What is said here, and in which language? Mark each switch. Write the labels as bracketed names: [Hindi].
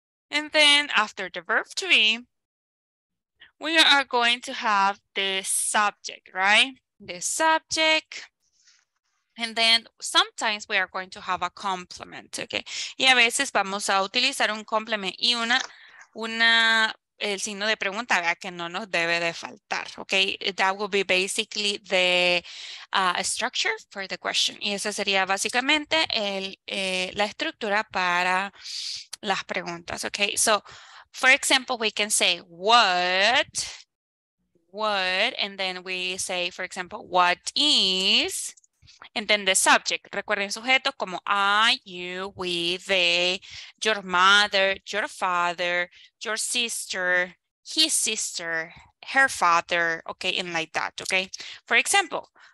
[English] And then after the verb to be, we are going to have the subject, right? The subject. And then sometimes we are going to have a complement. Okay. [Spanish] Y a veces vamos a utilizar un complement y una el signo de pregunta, ¿verdad? Que no nos debe de faltar, okay? [English] That will be basically the structure for the question. [Spanish] Y esa sería básicamente la estructura para las preguntas, okay? [English] So, for example, we can say, what, and then we say, for example, what is, and then the subject. [Spanish] Recuerden sujetos como [English] I, you, we, they, your mother, your father, your sister, his sister, her father, okay, and like that, okay? For example,